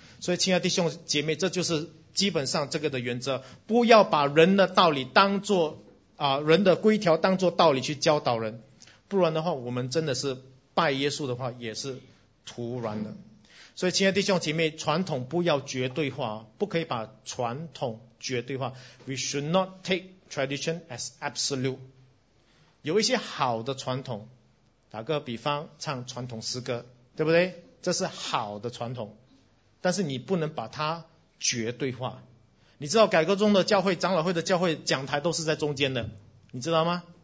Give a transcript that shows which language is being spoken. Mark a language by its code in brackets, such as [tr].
[zh] 所以亲爱的弟兄姐妹，这就是基本上这个的原则，不要把人的道理当作人的规条当作道理去教导人，不然的话我们真的是拜耶稣的话也是徒然的。所以亲爱的弟兄姐妹，传统不要绝对化，不可以把传统绝对化。 [en] We should not take tradition as absolute。 [zh] 有一些好的传统，打个比方唱传统诗歌，对不对？这是好的传统，但是你不能把它绝对化。你知道改革宗的教会、长老会的教会讲台都是在中间的，你知道吗？